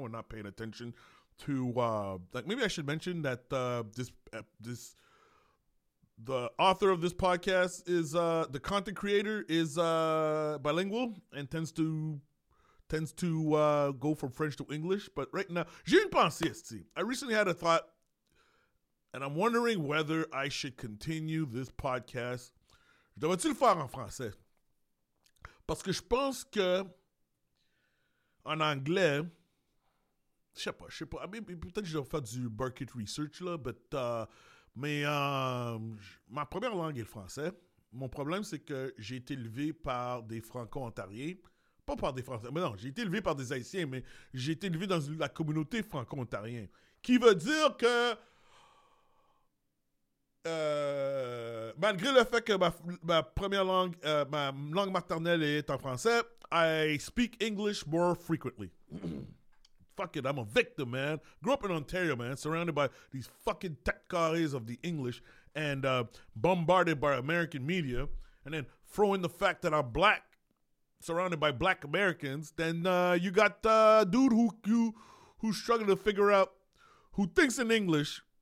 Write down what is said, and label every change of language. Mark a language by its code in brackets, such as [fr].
[en] We're not paying attention to maybe I should mention that this the author of this podcast is the content creator is bilingual and tends to go from French to English, but right now, [fr] j'ai une pensée, si. [en] I recently had a thought, and I'm wondering whether I should continue this podcast. [fr] Je devrais-tu le faire en français? Parce que je pense que, en anglais, je sais pas, peut-être que je vais faire du market research, là, mais ma première langue est le français. Mon problème, c'est que j'ai été élevé par des franco-ontariens. Pas par des Français, mais non, j'ai été élevé par des Haïtiens, mais j'ai été élevé dans la communauté franco-ontarienne. Qui veut dire que, malgré le fait que ma première langue, ma langue maternelle est en français, [en] I speak English more frequently. Fuck it, I'm a victim, man. Grew up in Ontario, man, surrounded by these fucking tête carrées of the English and bombarded by American media, and then throw in the fact that I'm black, surrounded by black Americans, then you got a dude who's struggling to figure out, who thinks in English,